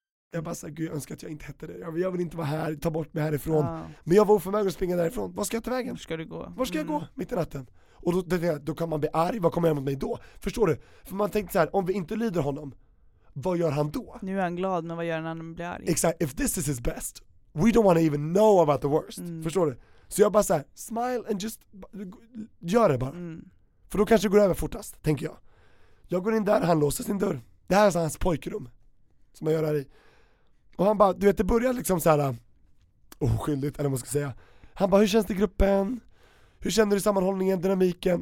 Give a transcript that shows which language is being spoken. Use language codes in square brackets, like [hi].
[sv] Jag bara såhär, gud, jag önskar att jag inte hette det. Jag vill inte vara här, ta bort mig härifrån. Ja. Men jag var oförmögen att springa därifrån. Var ska jag ta vägen? Var ska du gå? Var ska jag gå mitt i natten? Och då kan man bli arg. Vad kommer jag mot mig då? Förstår du? För man tänkte så här, om vi inte lyder honom, vad gör han då? Nu är han glad, men vad gör han när han blir arg? Exakt. [en] If this is his best, we don't want to even know about the worst. [sv] Mm. Förstår du? Så jag bara såhär, [en] smile and just [sv] gör det bara. Mm. För då kanske det går över fortast, tänker jag. Jag går in där, han låser sin dörr. Det här är hans pojkrum som jag gör här i. Och han bara, du vet, det börjar liksom så här oskyldigt, eller vad man ska säga. Han bara, hur känns det i gruppen? Hur känner du sammanhållningen, dynamiken?